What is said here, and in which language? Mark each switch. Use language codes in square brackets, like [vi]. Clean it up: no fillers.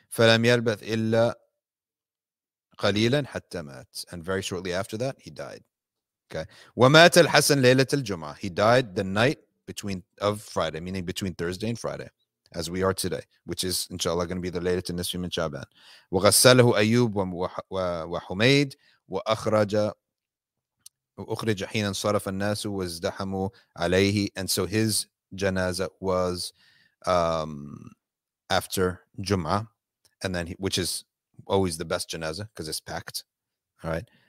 [ar] فَلَمْ يَلْبَثْ إِلَّا قَلِيلًا حَتَّى مَاتْ. [en] And very shortly after that, he died. [ar] Okay. ومات الحسن ليلة الجمعة. [en] He died the night between of Friday, meaning between Thursday and Friday, as we are today, which is inshallah going to be the [ar] ليلة النصف من شعبان. وغسله أيوب وحميد وأخرج وأخرج حين انصرف الناس وازدحموا عليه. [en] And so his janaza was after Jum'a, and then he, which is always the best janaza because it's packed. All right.